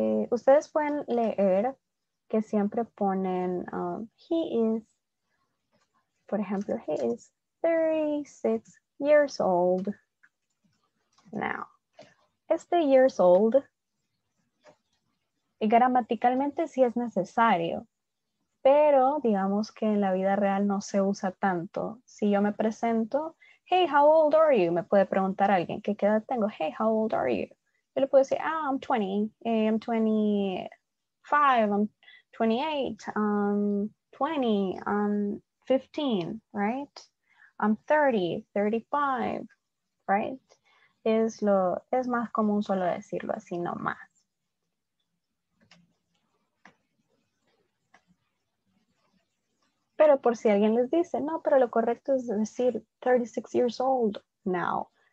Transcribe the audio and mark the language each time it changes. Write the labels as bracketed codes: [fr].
[es] Ustedes pueden leer que siempre ponen, [en] he is, [es] por ejemplo, [en] he is 36 years old now. [es] Este years old, y gramaticalmente sí es necesario, pero digamos que en la vida real no se usa tanto. Si yo me presento, [en] hey, how old are you? [es] Me puede preguntar a alguien, ¿qué edad tengo? [en] Hey, how old are you? [es] Yo le puedo decir, [en] ah, oh, I'm 20, I'm 25, I'm 28, I'm 20, I'm 15, right? I'm 30, 35, right? [es] Es más común solo decirlo así, no más. Pero por si alguien les dice, no, pero lo correcto es decir [en] 36 years old now.